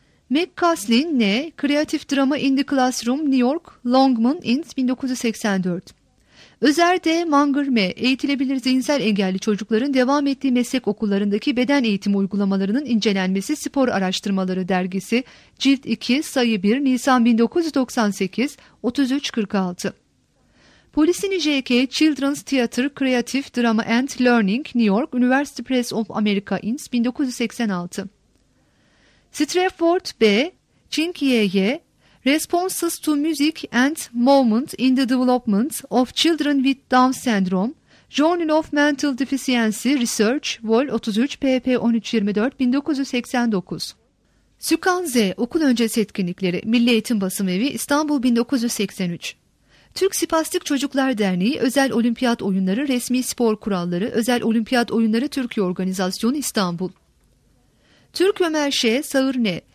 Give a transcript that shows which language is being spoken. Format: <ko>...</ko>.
<en>McCaslin N. Creative Drama in the Classroom New York Longman Inns 1984. Özer D. Munger M.</en> <tr>Eğitilebilir zihinsel engelli çocukların devam ettiği meslek okullarındaki beden eğitimi uygulamalarının incelenmesi spor araştırmaları dergisi cilt 2 sayı 1 Nisan 1998 33-46.</tr> <en>Polisini J.K. Children's Theatre Creative Drama and Learning New York University Press of America Inns 1986. Strafford B. Ching Y.Y. Responses to Music and Movement in the Development of Children with Down Syndrome, Journal of Mental Deficiency Research, Vol. 33, pp. 1324, 1989. Sükan Z.</en> <tr>Okul Öncesi Etkinlikleri, Milli Eğitim Basım Evi, İstanbul 1983. Türk Spastik Çocuklar Derneği, Özel Olimpiyat Oyunları, Resmi Spor Kuralları, Özel Olimpiyat Oyunları Türkiye Organizasyonu, İstanbul. Türk Ömer Ş. Sağır Ne.</tr>